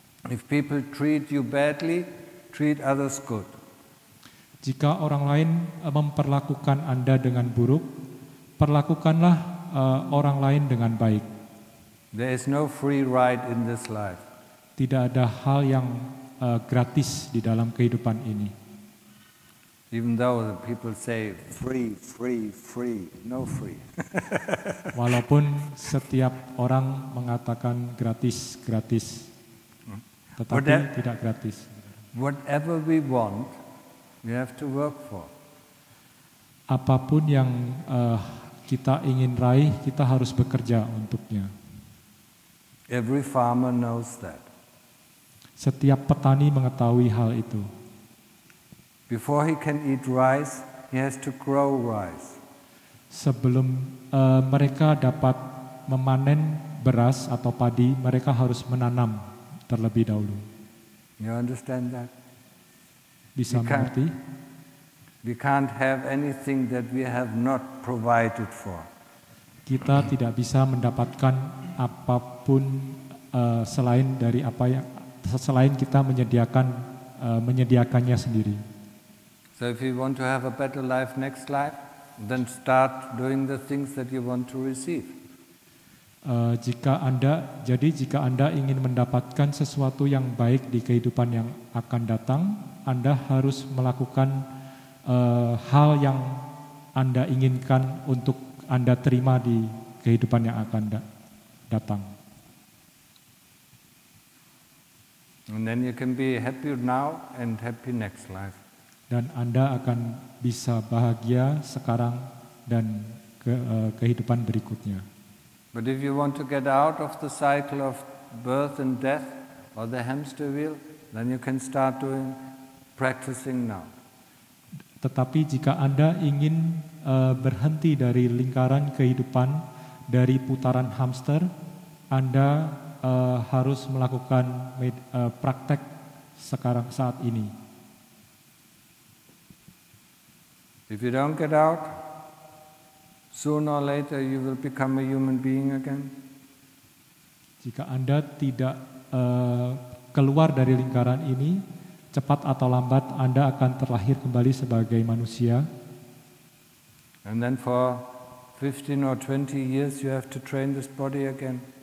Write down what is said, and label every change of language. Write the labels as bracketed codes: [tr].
[en] If people treat you badly, treat others good. [id] Jika orang lain memperlakukan Anda dengan buruk, perlakukanlah orang lain dengan baik. [en] There is no free ride in this life. [id] Tidak ada hal yang gratis di dalam kehidupan ini. [en] Even though the people say free, free, free, no free. [id] Walaupun setiap orang mengatakan gratis, gratis, tetapi tidak gratis. [en] Whatever we want, we have to work for. [id] Apapun yang kita ingin raih, kita harus bekerja untuknya. [en] Every farmer knows that. [id] Setiap petani mengetahui hal itu. [en] Before he can eat rice, he has to grow rice. [id] Sebelum mereka dapat memanen beras atau padi, mereka harus menanam terlebih dahulu. [en] You understand that? [id] Bisa mengerti? [en] We can't have anything that we have not provided for. [id] Kita tidak bisa mendapatkan apapun selain dari apa yang selain kita menyediakan menyediakannya sendiri. [en] So if you want to have a better life next life, then start doing the things that you want to receive. [id] Jika Anda ingin mendapatkan sesuatu yang baik di kehidupan yang akan datang, Anda harus melakukan hal yang Anda inginkan untuk Anda terima di kehidupan yang akan datang. [en] And then you can be happy now and happy next life. [id] Dan Anda akan bisa bahagia sekarang dan kehidupan berikutnya. [en] But if you want to get out of the cycle of birth and death or the hamster wheel, then you can start doing practicing now. [id] Tetapi jika Anda ingin berhenti dari lingkaran kehidupan, dari putaran hamster, Anda harus melakukan praktek sekarang saat ini. [en] If you don't get out, sooner or later you will become a human being again. [id] Jika Anda tidak keluar dari lingkaran ini, cepat atau lambat Anda akan terlahir kembali sebagai manusia. [en] And then for 15 or 20 years you have to train this body again.